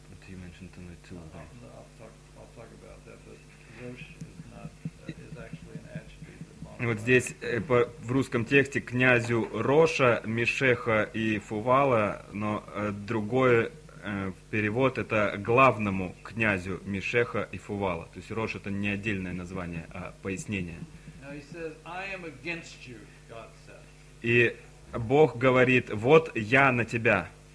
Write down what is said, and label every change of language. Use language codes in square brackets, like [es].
[en] You mentioned tonight too. I'll talk about that. But Rosh is not is actually an adjective. [ru] Вот здесь в русском тексте князю Роша, Мешеха и Фувала, но другой перевод это главному князю Мешеха и Фувала. То есть Рош это не отдельное название, а пояснение. [en] Now he says, "I am against you," God said. [ru] И Бог говорит: "Вот я на тебя."